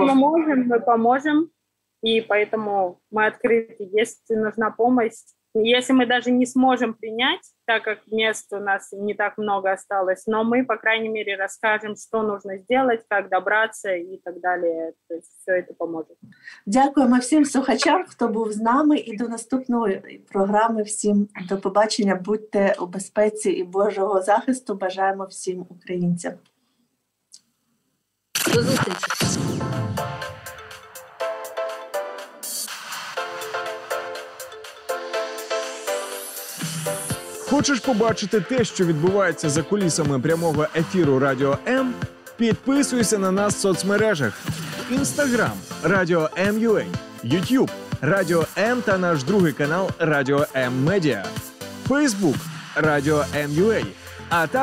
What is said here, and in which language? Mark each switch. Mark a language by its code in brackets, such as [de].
[ru] Если мы можем, мы поможем, и поэтому мы открыты, если нужна помощь. Если мы даже не сможем принять, так как мест у нас не так много осталось, но мы, по крайней мере, расскажем, что нужно сделать, как добраться и так далее. То есть все это поможет. [uk] Дякуємо всім слухачам, хто був з нами, і до наступної програми всім до побачення. Будьте у безпеці і Божого захисту. Бажаємо всім українцям. До зустрічі. Хочеш побачити те, що відбувається за кулісами прямого ефіру Радіо М? Підписуйся на нас в соцмережах. Instagram – Радіо М.UA, YouTube – Радіо М та наш другий канал Радіо М Медіа, Facebook – Радіо М.UA, а також...